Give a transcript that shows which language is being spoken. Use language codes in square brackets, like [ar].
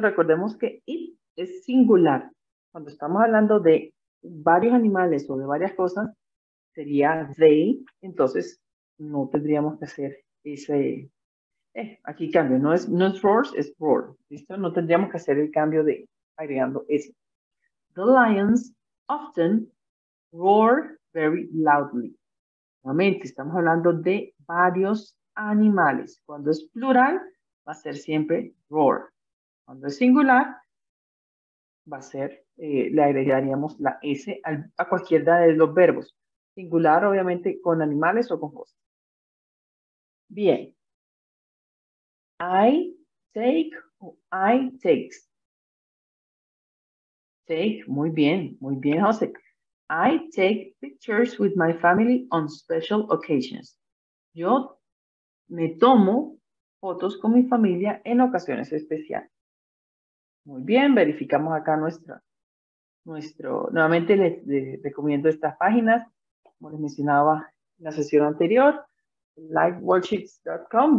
[es] Recordemos que it es singular. Cuando estamos hablando de varios animales o de varias cosas, sería they, entonces no tendríamos que hacer ese... aquí cambio, no es roars, es roar. ¿Listo? No tendríamos que hacer el cambio de agregando ese. [en] The lions often roar very loudly. [es] Nuevamente, estamos hablando de varios animales. Cuando es plural, va a ser siempre roar. Cuando es singular, va a ser, le agregaríamos la S a cualquiera de los verbos. Singular, obviamente, con animales o con cosas. Bien. [en] I take o I takes. [es] Take, muy bien, José. [en] I take pictures with my family on special occasions. [es] Yo me tomo fotos con mi familia en ocasiones especiales. Muy bien, verificamos acá nuestro. Nuevamente les recomiendo estas páginas, como les mencionaba en la sesión anterior, liveworksheets.com.